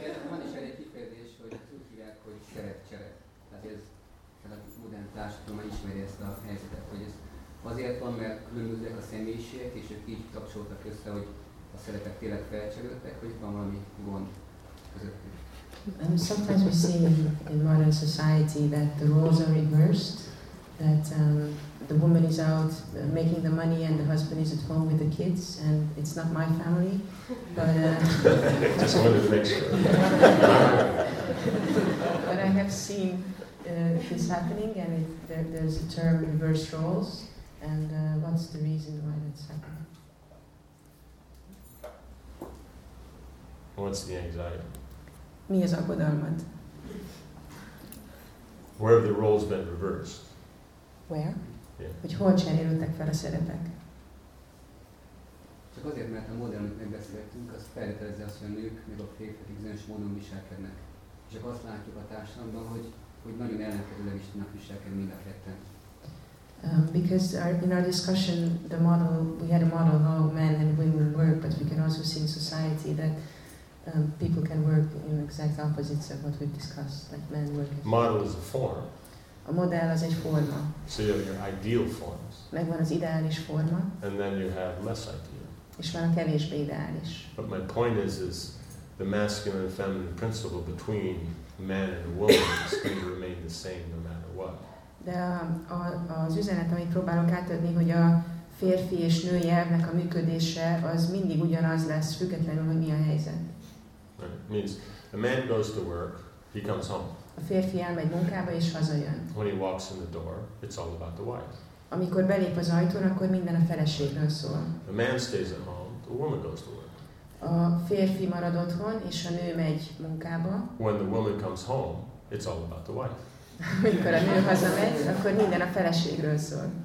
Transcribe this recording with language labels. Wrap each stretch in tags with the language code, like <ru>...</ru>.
<hu>Van is egy kifejezés, hogy úgy hívják, hogy szerepcsere. Tehát ez, a modern társadalom ismeri ezt a helyzetet, hogy ez azért van, mert különböznek a személyiségek, és ők így kapcsoltak össze, hogy a szerepek tényleg felcserültek, hogy van valami gond közöttük.</hu> <en>Sometimes we see in modern society that the roles are reversed, that the woman is out making the money and the husband is at home with the kids, and it's not my family, but... Just wanted to make sure. But I have seen this happening, and there's a term reverse roles, and what's the reason why that's happening? What's the anxiety?</en> <hu>Mi az aggodalmad?</hu> <en>Where have the roles been reversed? Where? Yeah.</en> <hu>Hogy hol cserélődtek fel a szerepek? Csak azért, mert a modell, amit megbeszéltünk, az feltételezi azt, hogy a nők meg a férfiak bizonyos módon viselkednek. Csak azt látjuk a társadalomban, hogy nagyon ellenkezőleg is tudnak viselkedni mind a ketten.</hu> <en>Because in our discussion, the model, we had a model of how men and women work, but we can also see in society that people can work in exact opposites of what we've discussed, like men work. Model is a form.</en> <hu>A modell az egy forma.</hu> <en>So you have your ideal forms.</en> <hu>Megvan az ideális forma.</hu> <en>And then you have less ideal.</en> <hu>És van a kevésbé ideális.</hu> <en>But my point is the masculine and feminine principle between man and woman is going to remain the same no matter what.</en> <hu>De az üzenet, amit próbálok átadni, hogy a férfi és női elvnek a működése, az mindig ugyanaz lesz, függetlenül, hogy mi a helyzet.</hu> <en>Right. Means a man goes to work, he comes home.</en> <hu>A férfi elmegy munkába és hazajön.</hu> <en>When he walks in the door, it's all about the wife.</en> <hu>Amikor belép az ajtón, akkor minden a feleségről szól.</hu> <en>The man stays at home, the woman goes to work.</en> <hu>A férfi marad otthon, és a nő megy munkába.</hu> <en>When the woman comes home, it's all about the wife.</en> <hu>Amikor a nő hazamegy, akkor minden a feleségről szól.</hu>